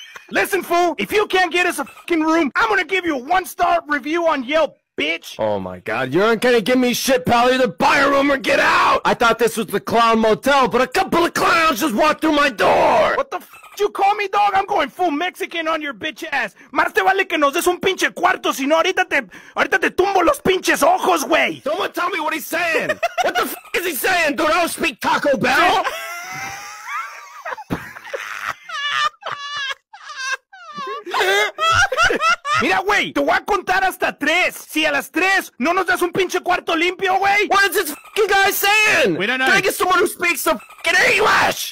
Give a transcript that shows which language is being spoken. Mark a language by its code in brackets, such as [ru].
[en] Listen, fool, if you can't get us a fucking room, I'm gonna give you a 1-star review on Yelp. Bitch. Oh my god, you're not gonna give me shit, pal. Either buy a room or get out! I thought this was the Clown Motel, but a couple of clowns just walked through my door! What the f did you call me, dog? I'm going full Mexican on your bitch ass. [es] Más te vale que nos des un pinche cuarto, sino ahorita te tumbo los pinches ojos, güey! [en] Someone tell me what he's saying! What the f is he saying, dude? I don't speak Taco Bell! [es] Mira, güey, te voy a contar hasta tres. Si a las tres no nos das un pinche cuarto limpio, güey. [en] What is this fucking guy saying? We don't know. Can I get someone who speaks some fucking English?